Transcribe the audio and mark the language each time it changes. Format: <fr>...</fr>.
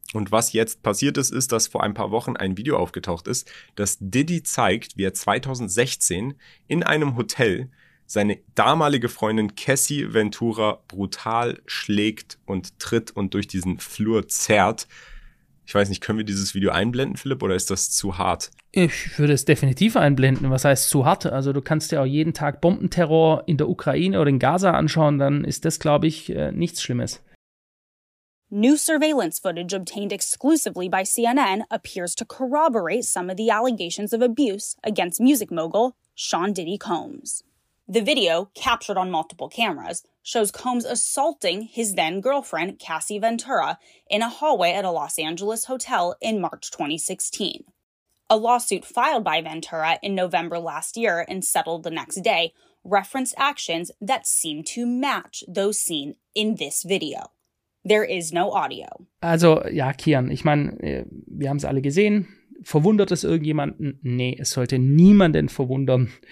<de>Und was jetzt passiert ist, ist, dass vor ein paar Wochen ein Video aufgetaucht ist, das Diddy zeigt, wie er 2016 in einem Hotel seine damalige Freundin Cassie Ventura brutal schlägt und tritt und durch diesen Flur zerrt. Ich weiß nicht, können wir dieses Video einblenden, Philipp, oder ist das zu hart? Ich würde es definitiv einblenden. Was heißt zu hart? Also du kannst dir auch jeden Tag Bombenterror in der Ukraine oder in Gaza anschauen, dann ist das, glaube ich, nichts Schlimmes.</de> <en>New surveillance footage obtained exclusively by CNN appears to corroborate some of the allegations of abuse against music mogul Sean Diddy Combs. The video, captured on multiple cameras, shows Combs assaulting his then-girlfriend, Cassie Ventura, in a hallway at a Los Angeles hotel in March 2016. A lawsuit filed by Ventura in November last year and settled the next day referenced actions that seem to match those seen in this video. There is no audio.</en> <de>Also, ja, Kian, ich meine, wir haben es alle gesehen. Verwundert es irgendjemanden? Nee, es sollte niemanden verwundern.</de>